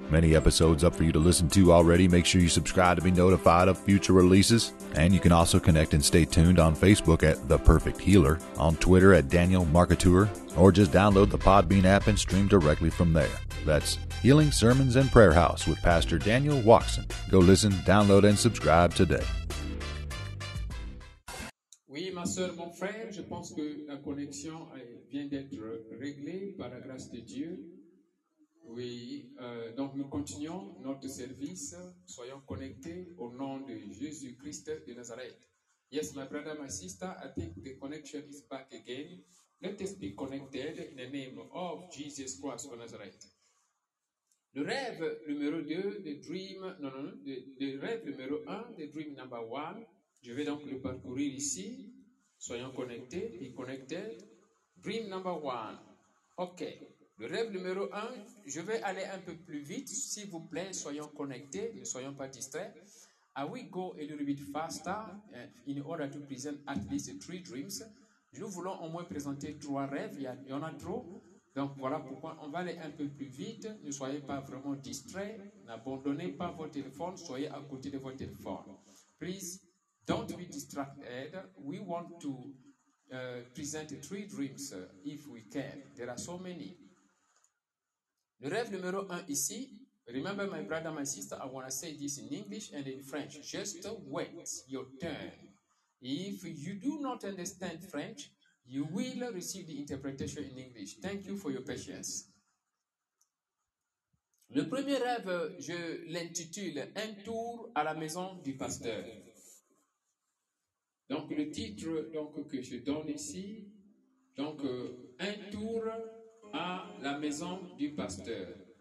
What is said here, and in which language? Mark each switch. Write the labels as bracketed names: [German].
[English] Many episodes up for you to listen to already. Make sure you subscribe to be notified of future releases. And you can also connect and stay tuned on Facebook at The Perfect Healer, on Twitter at Daniel Marketeur, or just download the Podbean app and stream directly from there. That's Healing Sermons and Prayer House with Pastor Daniel Watson. Go listen, download, and subscribe today. [French] Oui, ma soeur, mon frère, je pense que la connexion vient d'être réglée par la grâce de Dieu. Oui, donc nous continuons notre service. Soyons connectés au nom de Jésus-Christ de Nazareth. [English] Yes, my brother, my sister, I think the connection is back again. Let us be connected in the name of Jesus Christ of Nazareth. [French] Le rêve numéro 2, le rêve numéro 1, je vais donc le parcourir ici. Soyons connectés, [English] be connected. Dream number 1, ok. [French] Le rêve numéro 1, je vais aller un peu plus vite, s'il vous plaît, soyons connectés, ne soyons pas distraits. [English] I will go a little bit faster in order to present at least 3 dreams. [French] Nous voulons au moins présenter 3 rêves, il y en a trop. Donc voilà pourquoi on va aller un peu plus vite, ne soyez pas vraiment distraits, n'abandonnez pas votre téléphone, soyez à côté de votre téléphone. [English] Please, don't be distracted, we want to present 3 dreams if we can, there are so many. [French] Le rêve numéro 1 ici, [English] remember my brother, my sister, I want to say this in English and in French. Just wait your turn. If you do not understand French, you will receive the interpretation in English. Thank you for your patience. [French] Le premier rêve, je l'intitule « Un tour à la maison du pasteur ». Donc le titre donc, que je donne ici, donc « Un tour » à la maison du pasteur.